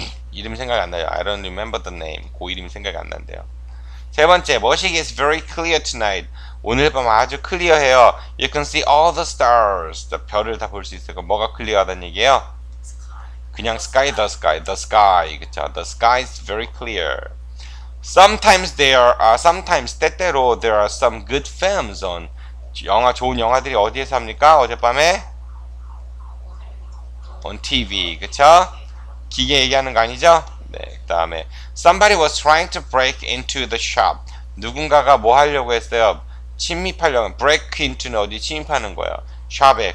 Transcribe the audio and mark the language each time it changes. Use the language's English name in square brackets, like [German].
[Korean] 이름이 생각이 안 나요. [English] I don't remember the name. [Korean] 그 이름이 생각이 안 난대요. 세 번째, [English] Washington is very clear tonight. [Korean] 오늘 밤 아주 클리어해요. [English] You can see all the stars. [Korean] 별을 다 볼 수 있어요. 뭐가 클리어하다는 얘기예요? [English] 그냥 sky, the sky, the sky. 그쵸? The sky is very clear. Sometimes there are, sometimes 때때로 there are some good films on. [Korean] 영화, 좋은 영화들이 어디에서 합니까? 어젯밤에? [English] On TV. 그쵸? [Korean] 기계 얘기하는 거 아니죠? 네, 그 다음에 [English] Somebody was trying to break into the shop. [Korean] 누군가가 뭐 하려고 했어요? 침입하려고. Break into는 어디 침입하는 거예요? 샵에.